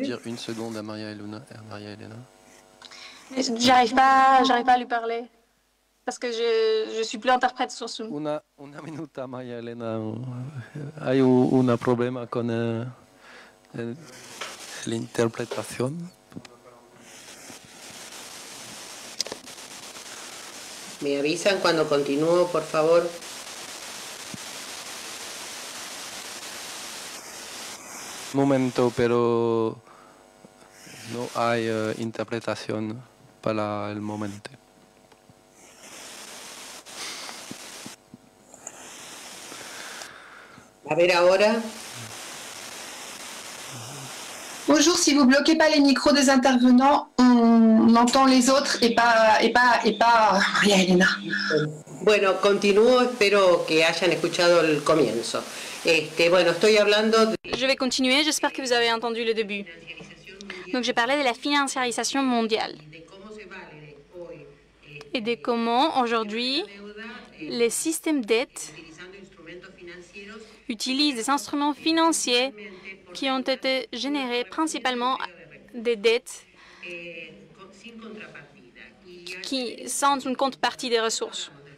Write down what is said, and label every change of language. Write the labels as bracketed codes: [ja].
[fr] Dire une seconde à Maria Elena. Maria Elena. J'arrive pas à lui parler parce que je suis plus interprète sur Zoom. [es] Una minuta, Maria Elena. Hay un problema con la interpretación. Me avisan cuando continúo, por favor. Momento, pero no hay interpretación para el momento. A ver ahora. [fr] Bonjour, si vous bloquez pas les micros des intervenants, on entend les autres et pas María Elena. [es] Bueno, continúo, espero que hayan escuchado el comienzo. Bueno, estoy hablando de... [fr] Je vais continuer, j'espère que vous avez entendu le début. Donc je parlais de la financiarisation mondiale et de comment aujourd'hui les systèmes dette utilisent des instruments financiers qui ont été générés principalement des dettes qui sans une contrepartie des ressources.